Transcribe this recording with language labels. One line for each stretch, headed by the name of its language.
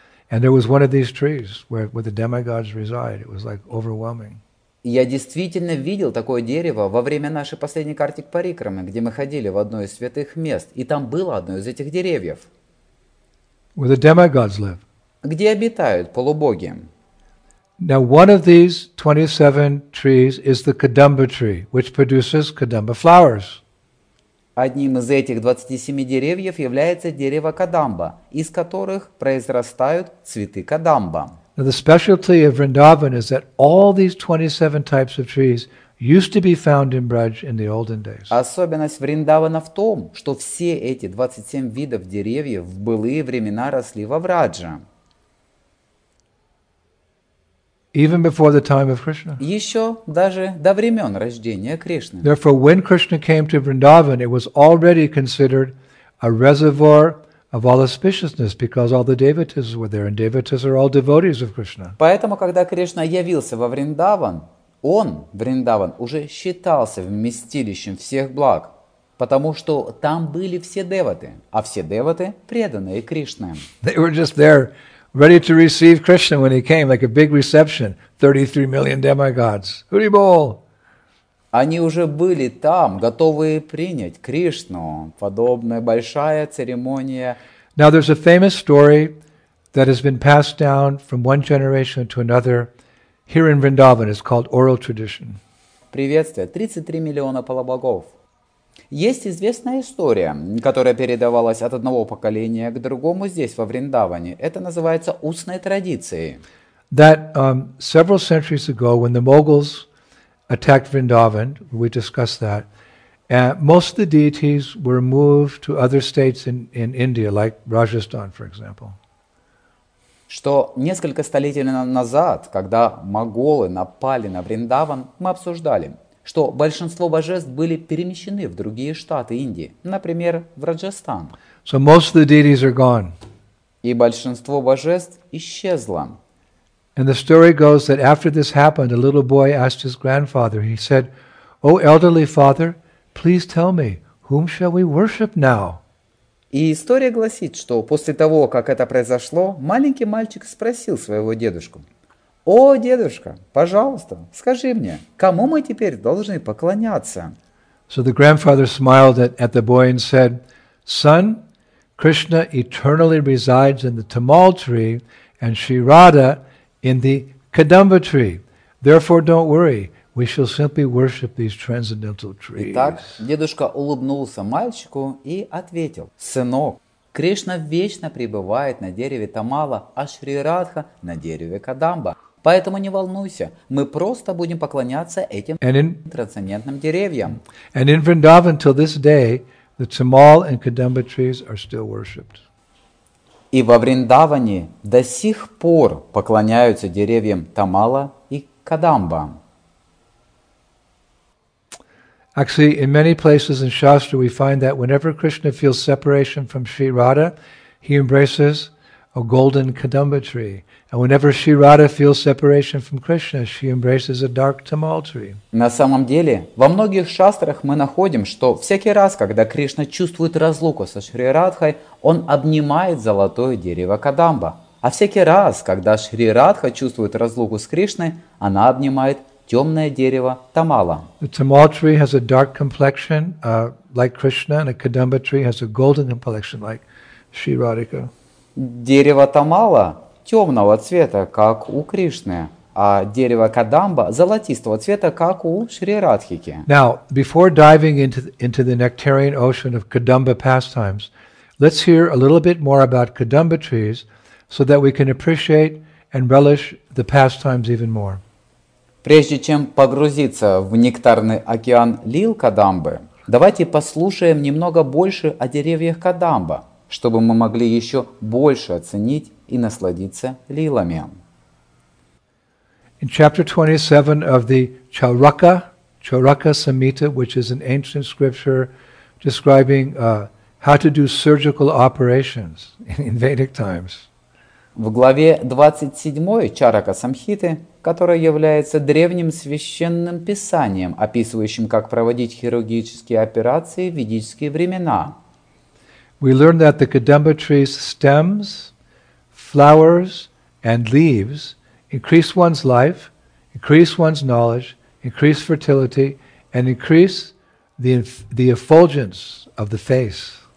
English: And there was one of these trees where the demigods reside. It was like overwhelming.
Russian: Я действительно видел такое дерево во время нашей последней Картик Парикрамы, где мы ходили в одно из святых мест, и там было одно из этих деревьев.
English: Where the demigods live.
Russian: Где обитают полубоги.
English: Now one of these 27 trees is the Kadamba tree, which produces Kadamba flowers.
Russian: Одним из этих 27 деревьев является дерево Кадамба, из которых произрастают цветы Кадамба.
English: Now the specialty of Vrindavan is that all these 27 types of trees used to be found in Braj in the olden days.
Russian: Особенность Вриндавана в том, что все эти 27 видов деревьев в былые времена росли во Врадже.
English: Even before the time of Krishna.
Russian: Еще даже до времен рождения Кришны.
English: Therefore, when Krishna came to Vrindavan, it was already considered a reservoir of all auspiciousness, because all the devotees were there, and devotees are all devotees of Krishna.
Russian: Поэтому, когда Кришна явился во Вриндаван, он, Вриндаван, уже считался вместилищем всех благ, потому что там были все девоты, а все девоты преданные Кришне.
English: They were just there, ready to receive Krishna when he came, like a big reception. 33 million demigods. Hari Bol.
Russian: Они уже были там, готовые принять Кришну. Подобная большая церемония.
English: Now there's a famous story that has been passed down from one generation to another here in Vrindavan. It's called oral tradition.
Russian: Приветствие. 33 миллиона полубогов. Есть известная история, которая передавалась от одного поколения к другому здесь, во Вриндаване. Это называется устной традицией.
English: That several centuries ago, when the Mughals attacked Vrindavan, we discussed that, and most of the deities were moved to other states in India, like Rajasthan, for example.
Russian: Что несколько столетий назад, когда моголы напали на Вриндаван, мы обсуждали, что большинство божеств были перемещены в другие штаты Индии, например, в Раджастан.
English: So most of the deities are gone.
Russian: И большинство божеств исчезло.
English: And the story goes that after this happened, a little boy asked his grandfather, he said, "O elderly father, please tell me, whom shall we worship now?"
Russian: И история гласит, что после того, как это произошло, маленький мальчик спросил своего дедушку, «О, дедушка, пожалуйста, скажи мне, кому мы теперь должны поклоняться?»
English: So the grandfather smiled at the boy and said, "Son, Krishna eternally resides in the Tamal tree and Sri Radha in the Kadamba tree. Therefore, don't worry, we shall simply worship these transcendental trees."
Russian: Итак, дедушка улыбнулся мальчику и ответил, «Сынок, Кришна вечно пребывает на дереве Тамала, а Шри Радха на дереве Кадамба. Поэтому не волнуйся, мы просто будем поклоняться этим трансцендентным деревьям».
English: And in Vrindavan, till this day, the Tamal and Kadamba trees are still worshipped.
Russian: И во Вриндаване до сих пор поклоняются деревьям Тамала и Кадамба.
English: Actually, in many places in Shastra, we find that whenever Krishna feels separation from Sri Radha, he embraces a golden Kadamba tree. And whenever Sri Radha feels separation from Krishna, she embraces a dark Tamal tree.
Russian: На самом деле, во многих шастрах мы находим, что всякий раз, когда Кришна чувствует разлуку со Шри Радхой, он обнимает золотое дерево Кадамба. А всякий раз, когда Шри Радха чувствует разлуку с Кришной, она обнимает темное дерево Тамала.
English: The Tamal tree has a dark complexion, like Krishna, and a Kadamba tree has a golden complexion, like Sri Radhika.
Russian: Дерево Тамала темного цвета, как у Кришны, а дерево Кадамба золотистого цвета, как у Шри Радхики.
English: Now, before diving into the nectarian ocean of Kadamba pastimes, let's hear a little bit more about Kadamba trees, so that we can appreciate and relish the pastimes even more.
Russian: Прежде чем погрузиться в нектарный океан лил Кадамбы, давайте послушаем немного больше о деревьях Кадамба, чтобы мы могли еще больше оценить и насладиться лилами.
English: In chapter 27 of the Charaka, Charaka Samhita, which is an ancient scripture describing how to do surgical operations in Vedic times.
Russian: В главе 27 Чарака Самхиты, которая является древним священным писанием, описывающим, как проводить хирургические операции в ведические времена.
English: We learn that the Kadamba tree's stems, flowers, and leaves increase one's life, increase one's knowledge, increase fertility, and increase the effulgence of the face.